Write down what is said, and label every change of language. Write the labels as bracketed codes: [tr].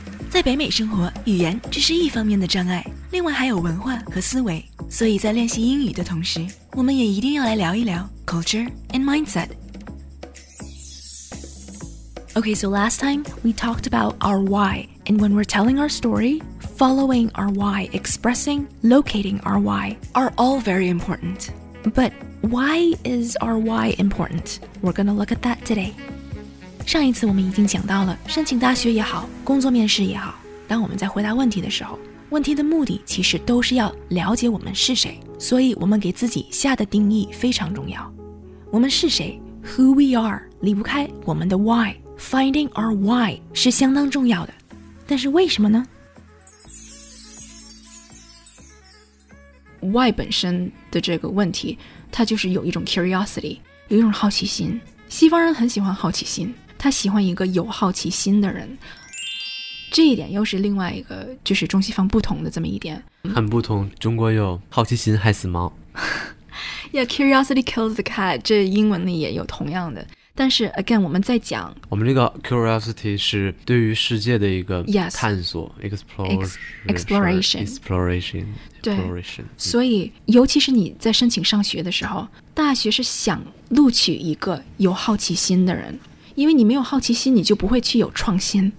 [zh] 在北美生活，语言只是一方面的障碍，另外还有文化和思维。所以在练习英语的同时，我们也一定要来聊一聊 [en] culture and mindset。 Okay, so last time we talked about our why, and when we're telling our story, following our why, expressing, locating our why are all very important. But why is our why important? We're gonna look at that today. [zh] 上一次我们已经讲到了，申请大学也好，工作面试也好，当我们在回答问题的时候，问题的目的其实都是要了解我们是谁，所以我们给自己下的定义非常重要。我们是谁 , [en] who we are, [zh] 离不开我们的 why. [en] Finding our why [zh] 是相当重要的，但是为什么呢？ Why 本身的这个问题，它就是有一种 curiosity， 有一种好奇心。西方人很喜欢好奇心，他喜欢一个有好奇心的人。这一点又是另外一个，就是中西方不同的这么一点。很不同，中国有好奇心害死猫。 [en] Yeah, curiosity kills the cat， [zh] 这英文里也有同样的。但是 again 我们在讲，我们这个 curiosity 是对于世界的一个探索 [en] yes, exploration [zh] 对，所以尤其是你在申请上学的时候，大学是想录取一个有好奇心的人，因为你没有好奇心，你就不会去有创新。